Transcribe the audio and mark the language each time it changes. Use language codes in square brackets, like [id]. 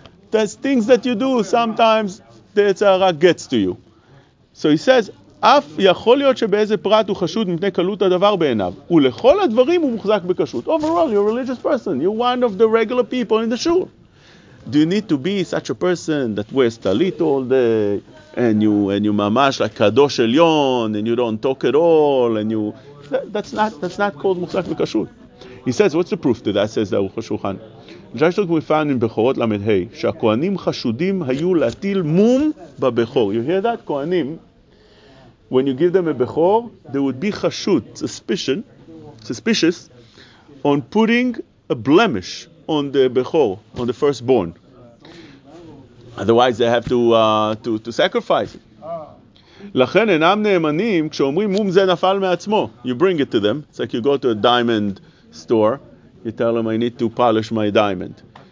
[en] There's things that you do, sometimes the Yetzer Hara gets to you. So he says, [he] אף יכול להיות שבאיזה פרט הוא חשוד מפני קלות הדבר בעיניו. ולכל הדברים הוא מוחזק בקשרות. [en] Overall, you're a religious person. You're one of the regular people in the shul. Do you need to be such a person that wears talit all day, and you mamash like kadosh elyon, and you don't talk at all, and you... That's not called muhzak v'kashrut. He says, what's the proof to that, says the Aruch HaShulchan? Just like we found in Bechorot Lamed Hei, [he] שהכוהנים חשודים היו להטיל מום בבכור. [en] You hear that? Kohanim, when you give them a Bechor, there would be chashud, suspicious, on putting a blemish on the Bechor, on the firstborn. Otherwise, they have to sacrifice it. לכן אינם נאמנים כשאומרים מום זה נפל מעצמו. You bring it to them. It's like you go to a diamond store. You tell them, I need to polish my diamond.